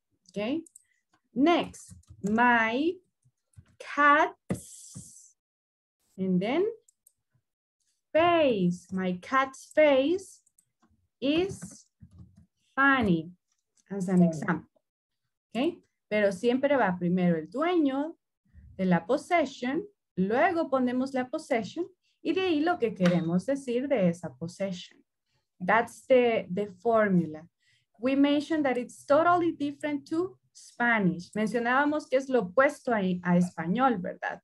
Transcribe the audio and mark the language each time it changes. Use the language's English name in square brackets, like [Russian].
[English] Okay, next, my cat's, and then face, my cat's face is funny, as an example, okay? [Spanish] Pero siempre va primero el dueño de la possession, luego ponemos la possession, y de ahí lo que queremos decir de esa possession. [English] That's the formula. We mentioned that it's totally different to Spanish. [Spanish] Mencionábamos que es lo opuesto a español, ¿verdad?